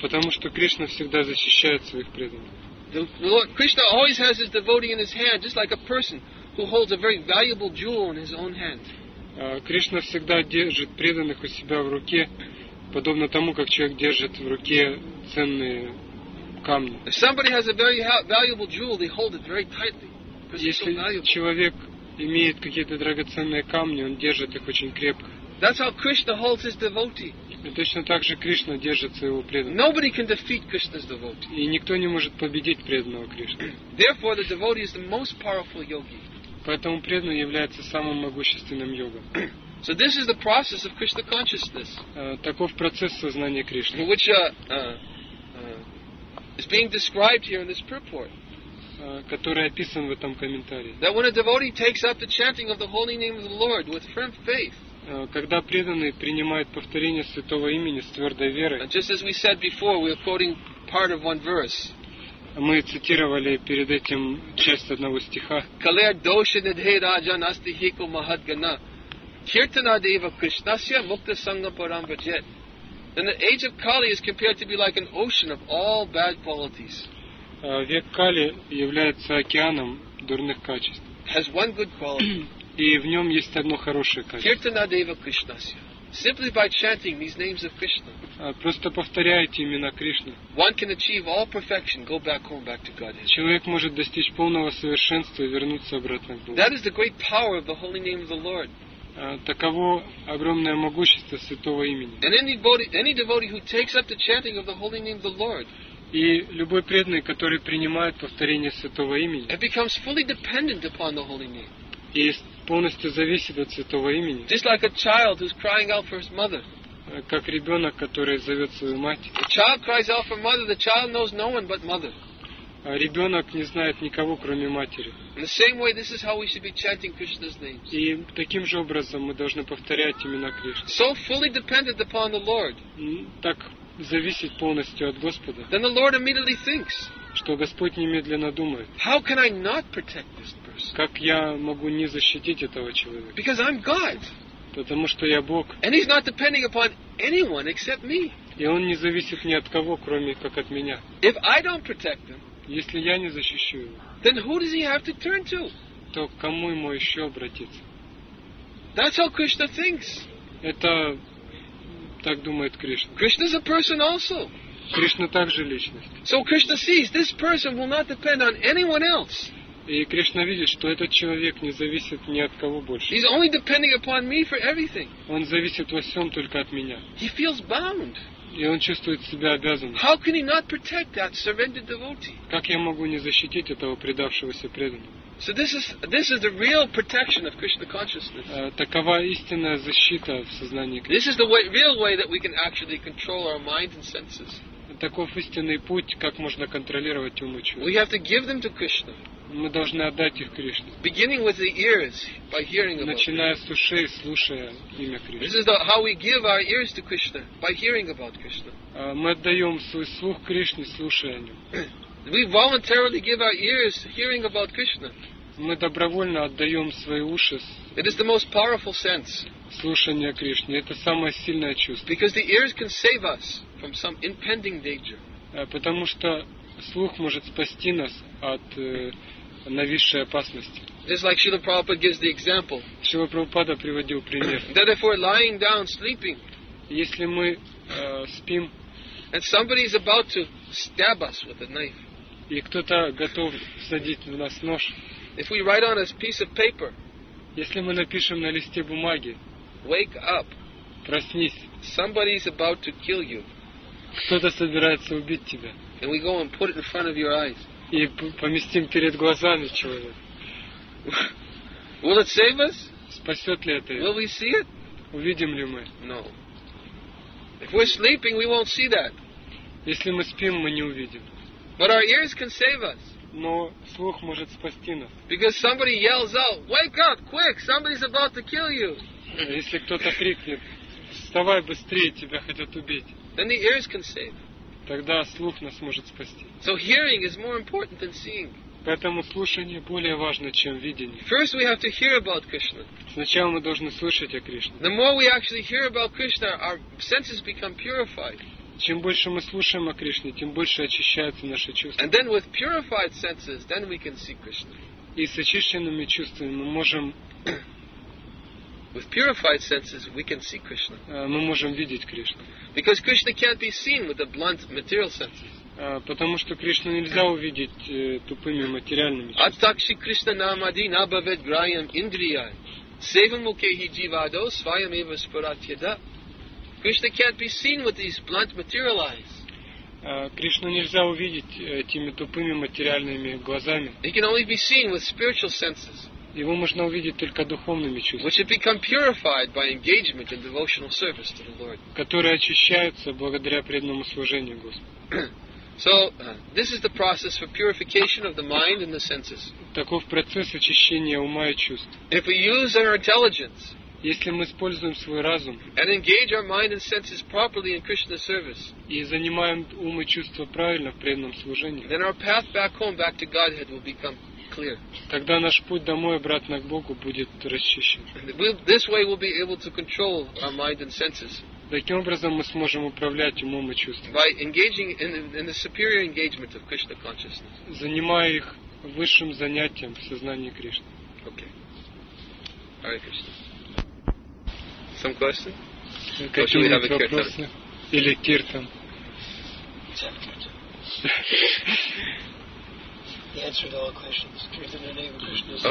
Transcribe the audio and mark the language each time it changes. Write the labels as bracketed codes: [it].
[ru] Потому что Кришна всегда защищает своих преданных. [en] Krishna always has his devotee in his hand, just like a person who holds a very valuable jewel in his own hand. [ru] Кришна всегда держит преданных у себя в руке, подобно тому, как человек держит в руке ценные камни. [en] If somebody has a very valuable jewel, they hold it very tightly, because it's so valuable. [ru] Если человек имеет какие-то драгоценные камни, он держит их очень крепко. [en] That's how Krishna holds his devotee. [ru] И точно так же Кришна держит своего преданного. [en] Nobody can defeat Krishna's devotee. [ru] И никто не может победить преданного Кришны. [en] Therefore, the devotee is the most powerful yogi. [ru] Поэтому преданный является самым могущественным йогом. [en] So this is the process of Krishna consciousness. [ru] Таков процесс сознания Кришны. [en] Which is being described here in this purport. [ru] Который описан в этом комментарии. [en] That when a devotee takes up the chanting of the holy name of the Lord with firm faith. [ru] Когда преданный принимает повторение святого имени с твердой верой. [en] And just as we said before, we are quoting part of one verse. [ru] Мы цитировали перед этим часть одного стиха. [sa] Калер доши недхе раджа настихико махадгана. Киртана дева кришнасья мукта санга парам баджет. [en] Then the age of Kali is compared to be like an ocean of all bad qualities. [ru] Век Кали является океаном дурных качеств. [en] Has one good quality. [ru] И в нем есть одно хорошее качество. [sa] Киртана дева кришнасья. [en] Simply by chanting these names of Krishna. [ru] Просто повторяйте имена Кришны. [en] One can achieve all perfection, go back home, back to Godhead. [ru] Человек может достичь полного совершенства и вернуться обратно к Богу. [en] That is the great power of the holy name of the Lord. [ru] Таково огромное могущество святого имени. [en] And any devotee who takes up the chanting of the holy name of the Lord. [ru] И любой преданный, который принимает повторение святого имени. [en] And becomes fully dependent upon the holy name. [ru] И полностью зависит от святого имени. [en] Just like a child who's crying out for his mother. [ru] Как ребенок, который зовет свою мать. [en] The child cries out for mother. The child knows no one but mother. [ru] А ребенок не знает никого, кроме матери. [en] In the same way, this is how we should be chanting Krishna's names. [ru] И таким же образом мы должны повторять имена Кришны. [en] So fully dependent upon the Lord. [ru] Так зависит полностью от Господа. [en] Then the Lord immediately thinks. [ru] Что Господь немедленно думает. [en] How can I not protect this person? [ru] Как я могу не защитить этого человека? [en] Because I'm God. [ru] Потому что я Бог. [en] And he's not depending upon anyone except me. [ru] И он не зависит ни от кого, кроме как от меня. [en] If I don't protect him, [ru] если я не защищу его, [en] then who does he have to turn to? [ru] То к кому ему еще обратиться? [en] That's how Krishna thinks. [ru] Это так думает Кришна. [en] Krishna is a person also. [ru] Кришна также личность. [en] So Krishna sees this person will not depend on anyone else. [ru] И Кришна видит, что этот человек не зависит ни от кого больше. [en] He's only depending upon me for everything. [ru] Он зависит во всем только от меня. [en] He feels bound. [ru] И он чувствует себя обязанным. [en] How can he not protect that surrendered devotee? [ru] Как я могу не защитить этого предавшегося преданного? [en] So this is the real protection of Krishna consciousness. [ru] Такова истинная защита в сознании Кришны. [en] This is the real way that we can actually control our mind and senses. [ru] Таков истинный путь, как можно контролировать ум и чувства. [en] We have to give them to Krishna. [ru] Мы должны отдать их Кришне. [en] Beginning with the ears, by hearing about. [ru] Начиная с ушей, слушая имя Кришны. [en] This is the, how we give our ears to Krishna, by hearing about Krishna. [ru] Мы отдаем свой слух Кришне, слушая о нем. [en] We voluntarily give our ears hearing about Krishna. [ru] Мы добровольно отдаем свои уши. [en] It is the most powerful sense. [ru] Слушание Кришне. Это самое сильное чувство. [en] Because the ears can save us from some impending danger. [ru] Потому что слух может спасти нас от нависшей опасности. [en] It's like Srila Prabhupada gives the example. [ru] Srila Prabhupada приводил пример. [en] That if we're lying down sleeping. [ru] Если мы спим. [en] And somebody is about to stab us with a knife. [ru] И кто-то готов садить в нас нож. [en] If we write on a piece of paper. [ru] Если мы напишем на листе бумаги. [en] Wake up. [ru] Проснись. [en] Somebody is about to kill you. [ru] Кто-то собирается убить тебя. [en] And we go and put it in front of your eyes. [ru] И поместим перед глазами человека. [en] Will it save us? [ru] Спасет ли это? [en] Will we see it? [ru] Увидим ли мы? [en] No. If we're sleeping, we won't see that. [ru] Если мы спим, мы не увидим. [en] But our ears can save us. [ru] Но слух может спасти нас. [en] Because somebody yells out, "Wake up, quick! Somebody's about to kill you." [ru] Если кто-то крикнет, вставай быстрее, тебя хотят убить. [en] Then the ears can save. [ru] Тогда слух нас может спасти. [en] So hearing is more important than seeing. [ru] Поэтому слушание более важно, чем видение. [en] First we have to hear about Krishna. [ru] Сначала мы должны слышать о Кришне. [en] The more we actually hear about Krishna, our senses become purified. [ru] Чем больше мы слушаем о Кришне, тем больше очищаются наши чувства. [en] And then with purified senses, then we can see Krishna. [ru] И с очищенными чувствами мы можем [en] With purified senses, we can see Krishna. [ru] Мы можем видеть Кришну. [en] Because Krishna can't be seen with the blunt material senses. [ru] Потому что Кришну нельзя увидеть тупыми материальными чувствами. [sa] Атакши Кришна намади набавет граям индрияй. Севам мукехи дживадо свайам ива спаратьяда. [en] Krishna can't be seen with these blunt material eyes. [ru] Кришну нельзя увидеть этими тупыми материальными глазами. [en] He can only be seen with spiritual senses. [ru] Его можно увидеть только духовными чувствами. [en] Which have become purified by engagement in devotional service to the Lord. [ru] Которые очищаются благодаря преданному служению Господу. [en] So, this is the process for purification of the mind and the senses. [ru] Таков процесс очищения ума и чувств. [en] If we use our intelligence, [ru] если мы используем свой разум, [en] and engage our mind and senses properly in Krishna's service, [ru] и занимаем ум и чувства правильно в преданном служении, [en] then our path back home, back to Godhead, will become clear. [ru] Тогда наш путь домой обратно к Богу будет расчищен. [en] This way we'll be able to control our mind and senses. [ru] Таким образом мы сможем управлять умом и чувствами. [en] By engaging in the superior engagement of Krishna consciousness. [ru] Занимая их высшим занятием в сознании Кришны. [en] Okay. Hare Krishna. Some questions? [ru] Какие-нибудь вопросы? Или киртан? [en] He answered all questions. Kirtan in the name of Krishna.